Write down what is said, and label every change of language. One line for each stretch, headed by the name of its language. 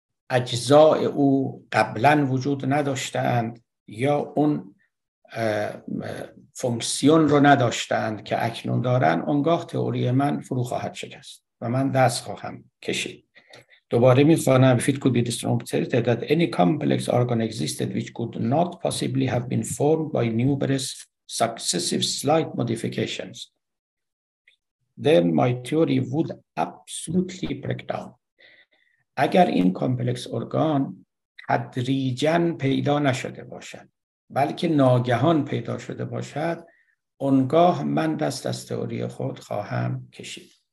Persian: اجزاء او قبلا وجود نداشتند یا اون فونکسیون رو نداشتند که اکنون دارن، اونگاه تئوری من فرو خواهد شکست و من دست خواهم کشید. دوباره میخوانم،
English: if it could be demonstrated that any complex organ existed which could not possibly have been formed by numerous successive slight modifications, then my theory would absolutely break down.
Persian: اگر این کامپلکس ارگان تدریجا پیدا نشده باشد بلکه ناگهان پیدا شده باشد، اونگاه من دست از تئوری خود خواهم کشید.